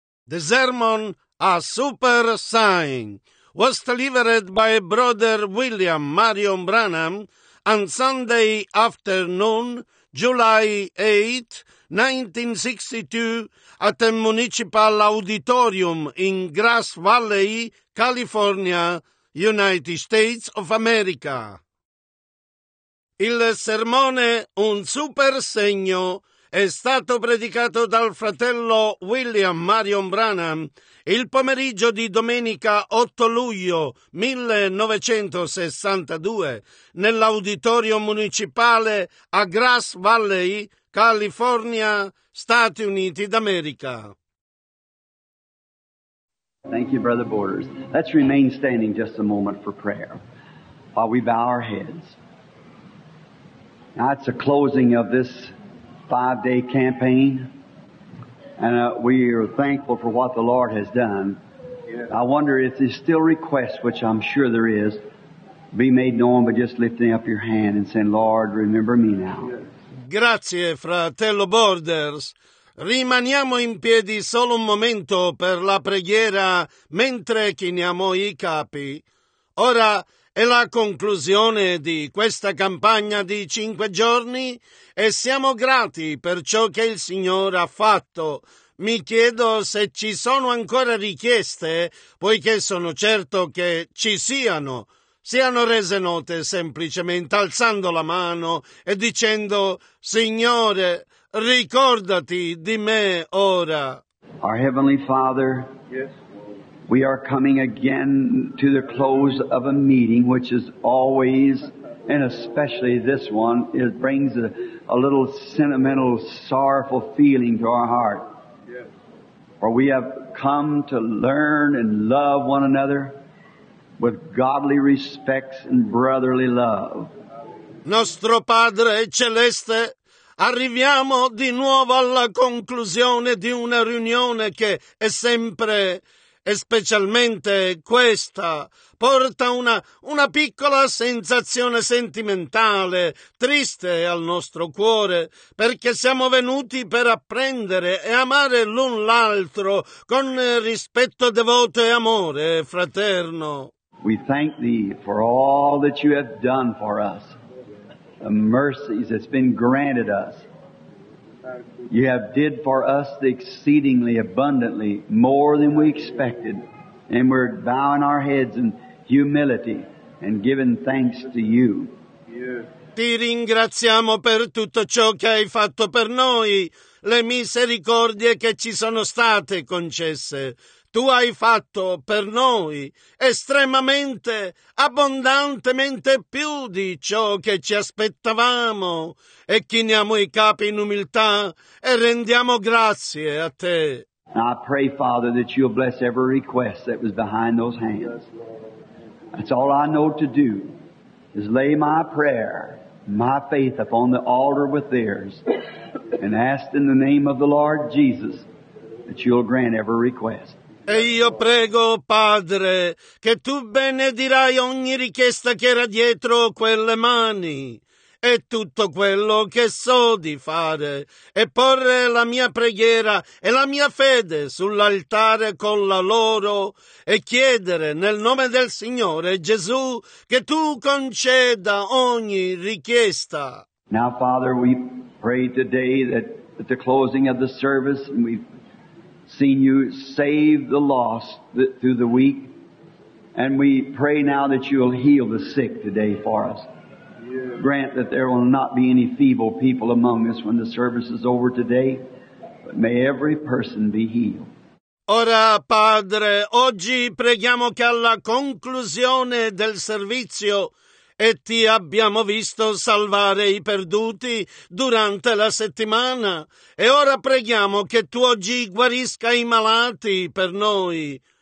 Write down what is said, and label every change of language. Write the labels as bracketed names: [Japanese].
[English] The sermon, A Super Sign, was delivered by Brother William Marion Branham on Sunday afternoon, July 8, 1962, at the Municipal Auditorium in Grass Valley, California, United States of America. [Italian] Il sermone Un Super Segno è stato predicato dal fratello William Marion Branham il pomeriggio di domenica 8 luglio 1962 nell'auditorium municipale a Grass Valley, California, Stati Uniti d'America. [English] Thank you, Brother Borders. Let's remain standing just a moment for prayer while we bow our heads. Now it's the closing of this 5-day campaign, and we are thankful for what the Lord has done. Yes. I wonder if there's still requests, which I'm sure there is, be made known by just lifting up your hand and saying, Lord, remember me now. [Italian] Grazie, fratello Borders. Rimaniamo in piedi solo un momento per la preghiera mentre chiniamo i capi. Ora è la conclusione di questa campagna di 5 giorni e siamo grati per ciò che il Signore ha fatto. Mi chiedo se ci sono ancora richieste, poiché sono certo che ci siano. Siano rese note semplicemente alzando la mano e dicendo, Signore, ricordati di me ora. [English] Our Heavenly Father. Yes. We are coming again to the close of a meeting, which is always, and especially this one, it brings a little sentimental, sorrowful feeling to our heart. Yes. For we have come to learn and love one another with godly respects and brotherly love. [Italian] Nostro Padre Celeste, arriviamo di nuovo alla conclusione di una riunione che è sempre... E specialmente questa porta una piccola sensazione sentimentale, triste al nostro cuore, perché siamo venuti per apprendere e amare l'un l'altro con rispetto devoto e amore fraterno. [English] We thank thee for all that you have done for us, the mercies that's been granted us. You have did for us exceedingly abundantly, more than we expected, and we're bowing our heads in humility and giving thanks to you. [Italian] Ti ringraziamo per tutto ciò che hai fatto per noi, le misericordie che ci sono state concesse. Tu hai fatto per noi estremamente, abbondantemente più di ciò che ci aspettavamo. E chiniamo i capi in umiltà e rendiamo grazie a te. [English] I pray, Father, that you'll bless every request that was behind those hands. That's all I know to do, is lay my prayer, my faith upon the altar with theirs, and ask in the name of the Lord Jesus that you'll grant every request. [Italian] E io prego, Padre, che tu benedirai ogni richiesta che era dietro quelle mani e tutto quello che so di fare e porre la mia preghiera e la mia fede sull'altare con la loro e chiedere nel nome del Signore Gesù che tu conceda ogni richiesta. [English] Now, Father, we pray today that at the closing of the service seen you save the lost through the week, and we pray now that you'll heal the sick today for us. Grant that there will not be any feeble people among us when the service is over today, but may every person be healed. [Italian] Ora, Padre, oggi preghiamo che alla conclusione del servizio e ti abbiamo visto salvare i perduti durante la settimana. E ora preghiamo che tu oggi guarisca i malati per noi.